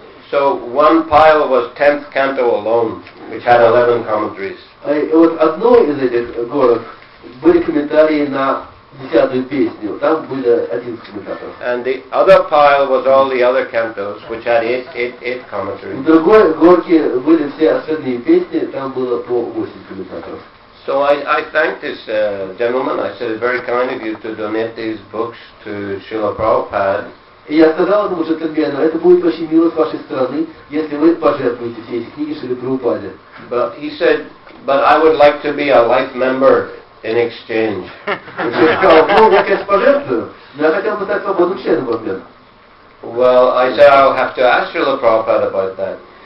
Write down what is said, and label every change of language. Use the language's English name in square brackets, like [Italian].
[English] So one pile was 10th canto alone, which had 11 commentaries. [Russian] И вот одной из этих горок были комментарии на 10-ю песню, там были 11 комментаторов. [English] And the other pile was all the other cantos, which had 8 commentaries. [Russian] В другой горке были все остальные песни, там было по 8 комментаторов. [English] So I thanked this gentleman. I said, it's very kind of you to donate these books to Srila Prabhupada. [Russian] И я сказал ему, что это будет очень мило с вашей стороны, если вы пожертвуете все эти книги Шриле Прабхупаде. [English] But he said, but I would like to be a life member in exchange. Well, I said, I'll have to ask Srila Prabhupada about that.